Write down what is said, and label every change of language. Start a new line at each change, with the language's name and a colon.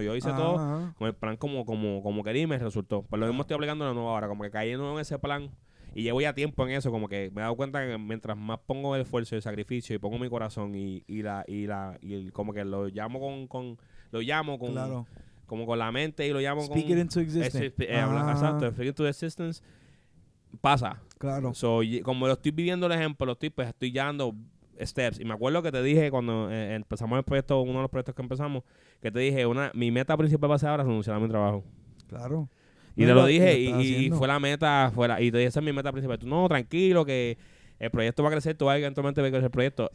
Spanish: Yo hice todo con el plan como quería y me resultó. Pues lo mismo estoy aplicando la nueva ahora, como que caí en ese plan y llevo ya tiempo en eso, como que me he dado cuenta que mientras más pongo el esfuerzo y el sacrificio y pongo mi corazón y como que lo llamo con claro. Como con la mente y lo llamo
English: speak
Spanish: con
English: it into existence. Speak it into existence.
Spanish: Pasa. Claro. So, como lo estoy viviendo el ejemplo, estoy ya dando steps. Y me acuerdo que te dije cuando empezamos el proyecto, uno de los proyectos que empezamos, que te dije, mi meta principal va a ser ahora renunciar a mi trabajo. Claro. Y te lo dije, y fue la meta, y te dije, esa es mi meta principal. Tú, no, tranquilo, que el proyecto va a crecer, tú vas a eventualmente ver que es el proyecto.